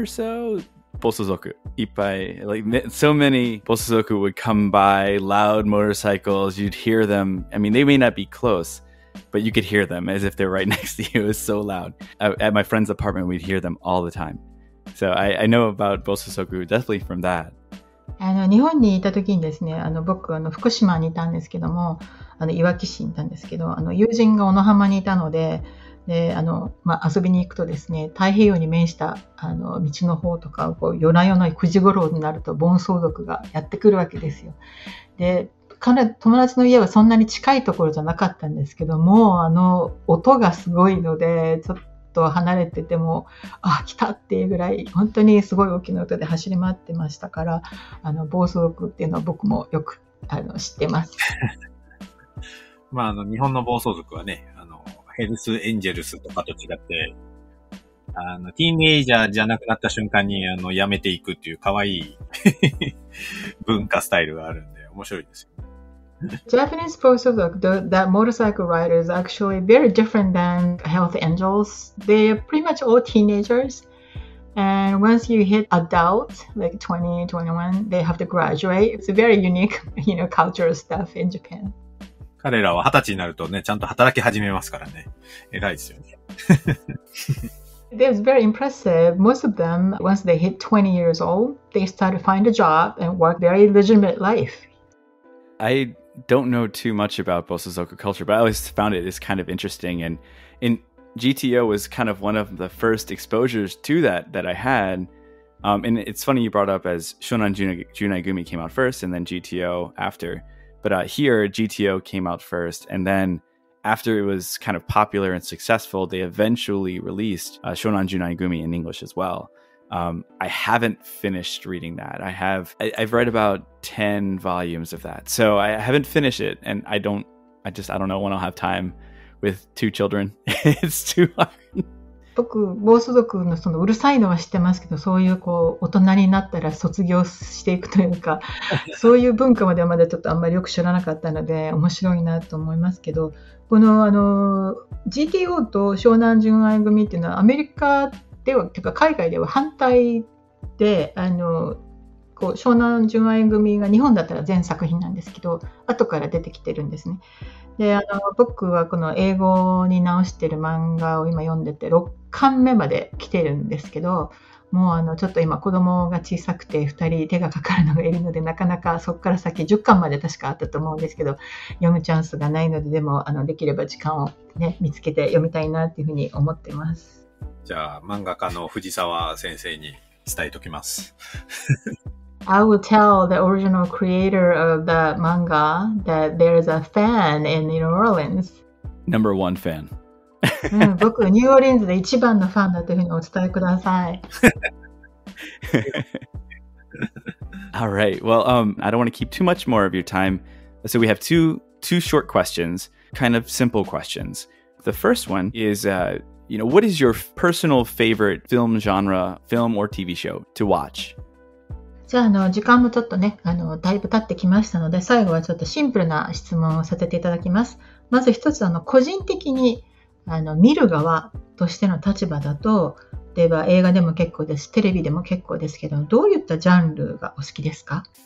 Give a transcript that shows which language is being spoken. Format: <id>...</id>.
<en>or so, Bosozoku.</en> <ja>Ippai,</ja> <en>like so many Bosozoku would come by, loud motorcycles, you'd hear them. I mean, they may not be close, but you could hear them as if they're right next to you. It was so loud. At my friend's apartment, we'd hear them all the time. So I know about Bosozoku definitely from that.</en> <ja>日本にいた時にですね、僕は福島にいたんですけども、いわき市にいたんですけど、友人が小野浜にいたので、でまあ、遊びに行くとですね、太平洋に面した道の方とかをこう夜な夜な9時頃になると暴走族がやってくるわけですよ。で、かなり友達の家はそんなに近いところじゃなかったんですけども、音がすごいので、ちょっと離れてても、あ、来たっていうぐらい本当にすごい大きな音で走り回ってましたから、暴走族っていうのは僕もよく知ってますまあ、日本の暴走族はね、ヘルスエンジェルスとかと違って、ティーンエイジャーじゃなくなった瞬間に、辞めていくっていう可愛い文化スタイルがあるんで、面白いですよ。</ja> <en>Japanese Bosozoku, that motorcycle rider is actually very different than health angels. They are pretty much all teenagers. And once you hit adult, like 20, 21, they have to graduate. It's a very unique, cultural stuff in Japan.</en> <ja>彼らは二十歳になるとね、ちゃんと働き始めますからね。偉いですよね。</ja> <en>That's very impressive. Most of them, once they hit 20 years old, they start to find a job and work very legitimate life. I don't know too much about Bosozoku culture, but I always found it is kind of interesting. And in GTO was kind of one of the first exposures to that I had. And it's funny you brought up as Shonan Junai Gumi came out first and then GTO after. But here, GTO came out first, and then after it was kind of popular and successful, they eventually released Shonan Junai Gumi in English as well. I haven't finished reading that. I've read about 10 volumes of that, so I haven't finished it, and I don't know when I'll have time with two children. It's too hard.</en> <ja>僕、暴走族のそのうるさいのは知ってますけど、そういうこう大人になったら卒業していくというか、そういう文化まではまだちょっとあんまりよく知らなかったので面白いなと思いますけど、このあの GTO と湘南純愛組っていうのはアメリカではというか海外では反対で、あのこう湘南純愛組が日本だったら全作品なんですけど、後から出てきてるんですね。で、あの僕はこの英語に直してる漫画を今読んでて6巻目まで来てるんですけど、もうあのちょっと今子供が小さくて2人手がかかるのがいるので、なかなかそこから先10巻まで確かあったと思うんですけど読むチャンスがないので、でもあのできれば時間を、ね、見つけて読みたいなっていうふうに思ってます。じゃあ漫画家の藤沢先生に伝えときます。</ja> <en>I will tell the original creator of the manga that there is a fan in New Orleans. Number one fan.</en> <ja>僕、ニューオーリンズで一番のファンだというふうにお伝えください。</ja> <en>All right. Well, I don't want to keep too much more of your time. So we have two short questions, kind of simple questions. The first one is, you know, what is your personal favorite film genre, film or TV show to watch?</en> <ja>じゃあ、あの、時間もちょっとね、あの、だいぶ経ってきましたので、最後はちょっとシンプルな質問をさせていただきます。まず一つ、あの、個人的に、あの、見る側としての立場だと、例えば映画でも結構です、テレビでも結構ですけど、どういったジャンルがお好きですか？</ja>